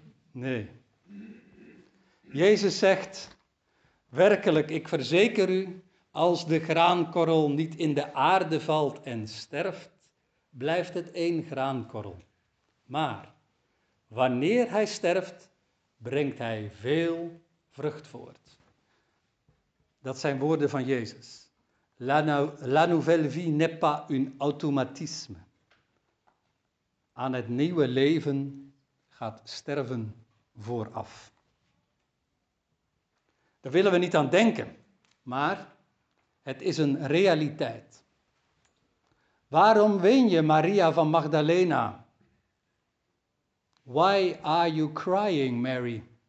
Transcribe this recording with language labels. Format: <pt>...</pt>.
<nl>Nee. Jezus zegt, werkelijk, ik verzeker u, als de graankorrel niet in de aarde valt en sterft, blijft het één graankorrel. Maar wanneer hij sterft, brengt hij veel vrucht voort. Dat zijn woorden van Jezus.</nl> <fr>La nouvelle vie n'est pas un automatisme.</fr> <nl>aan het nieuwe leven gaat sterven vooraf. Daar willen we niet aan denken, maar het is een realiteit. Waarom ween je, Maria van Magdalena?</nl> <en>Why are you crying, Mary?</en>